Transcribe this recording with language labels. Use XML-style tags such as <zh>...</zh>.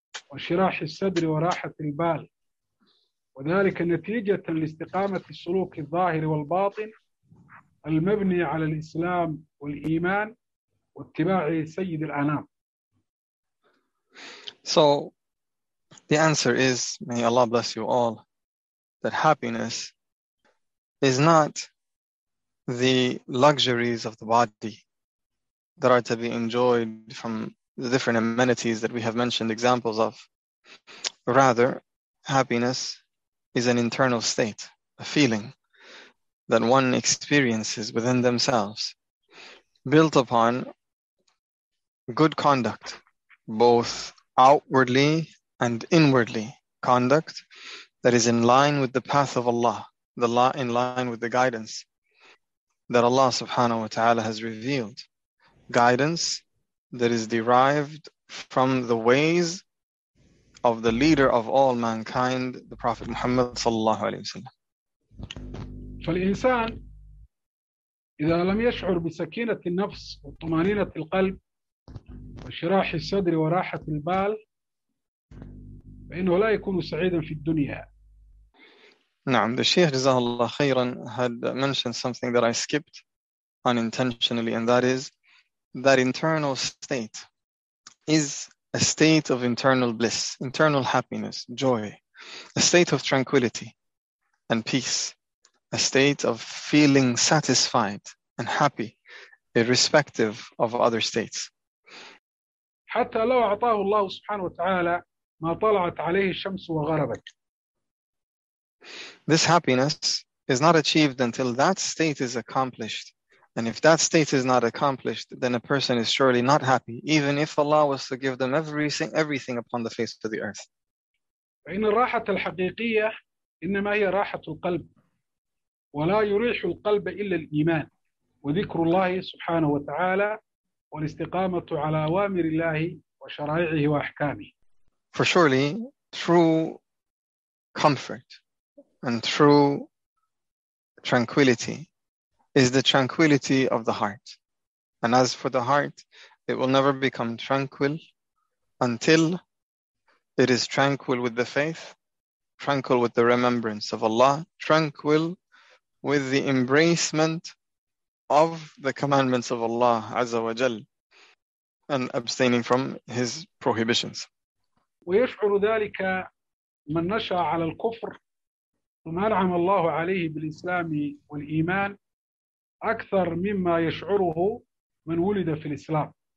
<ar>وانشراح الصدر وراحة البال، وذلك نتيجة لاستقامة السلوك الظاهر والباطن المبني على الإسلام والإيمان واتباع سيد الأنام.</ar> <en>So the answer is, may Allah bless you all, that happiness is not the luxuries of the body that are to be enjoyed from the different amenities that we have mentioned examples of. Rather, happiness is an internal state, a feeling that one experiences within themselves, built upon good conduct, both outwardly and inwardly, conduct that is in line with the path of Allah, the law in line with the guidance that Allah subhanahu wa ta'ala has revealed, guidance that is derived from the ways of the leader of all mankind, the Prophet Muhammad sallallahu alayhi wa sallam.</en> <ar>فالإنسان إذا لم يشعر بسكينة النفس وطمأنينة القلب وانشراح الصدر وراحة البال فإنه لا يكون سعيدا في الدنيا. نعم,</ar> <en>the Sheikh Jazahullah Khairan had mentioned something that I skipped unintentionally, and that is that internal state is a state of internal bliss, internal happiness, joy, a state of tranquility and peace, a state of feeling satisfied and happy, irrespective of other states.</en> <ar>حتى لو أعطاه الله سبحانه وتعالى ما طلعت عليه الشمس وغربت.</ar> <en>This happiness is not achieved until that state is accomplished. And if that state is not accomplished, then a person is surely not happy, even if Allah was to give them everything upon the face of the earth.</en> <ar>فإن الراحة الحقيقية إنما هي راحة القلب, ولا يريح القلب إلا الإيمان وذكر الله سبحانه وتعالى والاستقامة على أوامر الله وشرائعه وأحكامه.</ar> <en>For surely, true comfort and true tranquility is the tranquility of the heart. And as for the heart, it will never become tranquil until it is tranquil with the faith, tranquil with the remembrance of Allah, tranquil with the embracement of the commandments of Allah Azza wa Jal, and abstaining from His prohibitions.</en> <ar>ويشعر ذلك من نشأ على الكفر ثم أنعم الله عليه بالإسلام والإيمان أكثر مما يشعره من ولد في الإسلام.</ar>